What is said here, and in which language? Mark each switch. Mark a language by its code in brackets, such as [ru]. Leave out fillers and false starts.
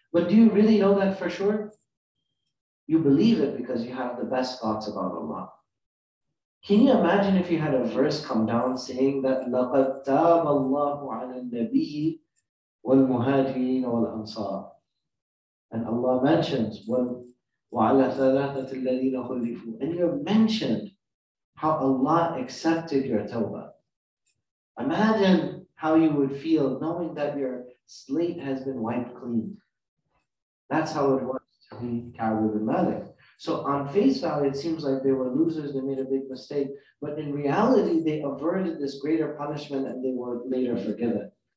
[en] But do you really know that for sure? You believe it because you have the best thoughts about Allah. Can you imagine if you had a verse come down saying that [ar] لَقَدْ تَابَ اللَّهُ عَلَى النَّبِيِّ وَالْمُهَاجِرِينَ وَالْأَنصَارِ. [en] And Allah mentions [ar] وَعَلَى ثَلَاثَةِ الَّذِينَ خُلِّفُوا. [en] And you mentioned how Allah accepted your tawbah. Imagine how you would feel knowing that your slate has been wiped clean. That's how it was to be Ka'b ibn Malik. So on face value, it seems like they were losers, they made a big mistake, but in reality, they averted this greater punishment and they were later forgiven.